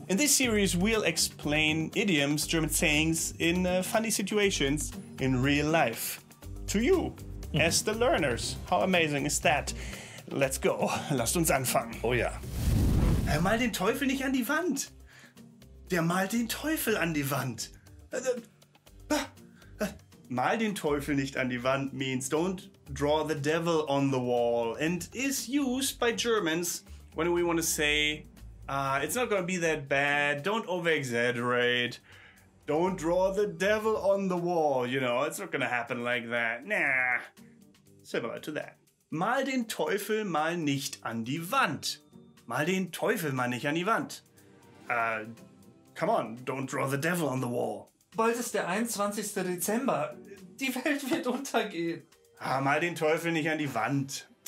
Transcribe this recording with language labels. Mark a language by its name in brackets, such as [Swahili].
[English] In this series we'll explain idioms, German sayings in funny situations in real life to you as the learners. How amazing is that? Let's go. [German] Lasst uns anfangen. Oh ja. Hör mal den Teufel nicht an die Wand. Der malt den Teufel an die Wand. Mal den Teufel nicht an die Wand [English] means don't draw the devil on the wall and is used by Germans when we want to say it's not going to be that bad, don't over-exaggerate, don't draw the devil on the wall, you know, it's not going to happen like that. Nah, similar to that. [German] Mal den Teufel mal nicht an die Wand. Mal den Teufel mal nicht an die Wand. [English] Come on, don't draw the devil on the wall. [German] Bald ist der 21. Dezember. Die Welt wird untergehen. Ah, mal den Teufel nicht an die Wand.